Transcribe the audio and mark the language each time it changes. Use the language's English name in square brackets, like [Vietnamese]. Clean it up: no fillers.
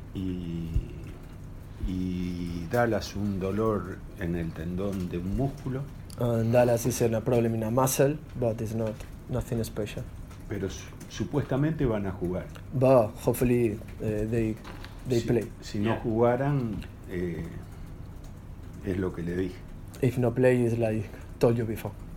[Spanish] Y Dallas un dolor en el tendón de un músculo. [English] And Dallas is in a problem in a muscle, but it's nothing special. [Spanish] Pero supuestamente van a jugar. [English] But hopefully they play. [Spanish] Si no jugaran, es lo que le dije. [English] If no play, it's like told you before.